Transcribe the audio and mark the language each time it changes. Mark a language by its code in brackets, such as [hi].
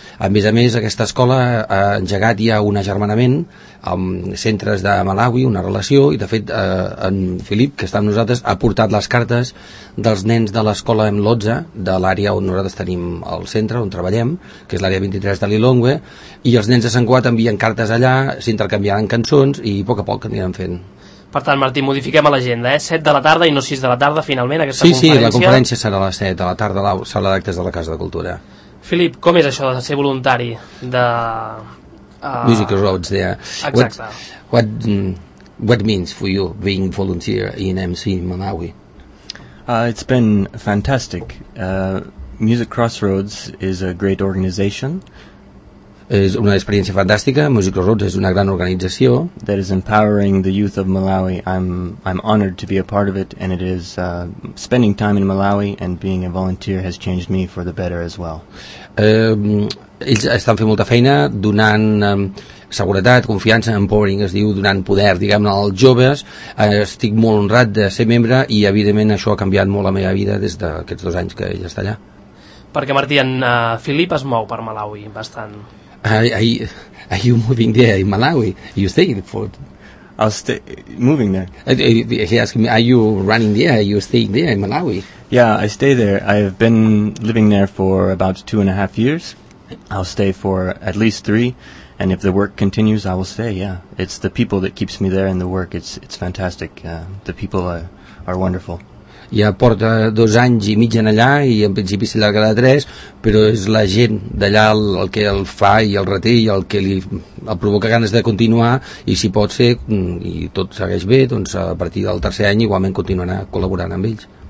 [ca] A més, aquesta escola ha engegat ja un agermanament amb centres de Malawi, una relació, i de fet en Filip, que està amb nosaltres, ha portat les cartes dels nens de l'escola M12, de l'àrea on nosaltres tenim el centre, on treballem, que és l'àrea 23 de Lilongwe, i els nens de Sant Cugat envien cartes allà, s'intercanviaran cançons i a poc a poc aniran fent. Per tant, Martí, modifiquem l'agenda, eh? 7 de la tarda i no 6 de la tarda, finalment, aquesta sí, conferència. Sí, la conferència serà a les 7 de la tarda a la sala d'actes de la Casa de Cultura. Filip, com és això de ser voluntari de... [en] Music Roads, yeah. [ca] Exacte. [en] What means for you being volunteer in MC Malawi? It's been fantastic. Music Crossroads is a great organization. [ca] És una experiència fantàstica. Music Crossroads és una gran organització. [en] That is empowering the youth of Malawi. I'm honored to be a part of it, and it is spending time in Malawi and being a volunteer has changed me for the better as well. [ca] Ells estan fent molta feina donant seguretat, confiança, empowering, es diu, donant poder, diguem-ne, als joves. Estic molt honrat de ser membre i, evidentment, això ha canviat molt la meva vida des d'aquests dos anys que ell està allà. Perquè, Martí, en Filip es mou per Malawi bastant. [en] Are you moving there in Malawi? Are you staying for... I'll stay moving there. He asked me, are you running there? Are you staying there in Malawi? Yeah, I stay there. I have been living there for about 2.5 years. I'll stay for at least 3, and if the work continues, I will stay, yeah. It's the people that keeps me there and the work, it's fantastic. The people are wonderful. [ca] Ja porta 2 anys i mig en allà, i en principi se llarga de 3, però és la gent d'allà el que el fa i el reté i el que li el provoca ganes de continuar, i si pot ser, i tot segueix bé, doncs a partir del 3er any igualment continuarà col·laborant amb ells.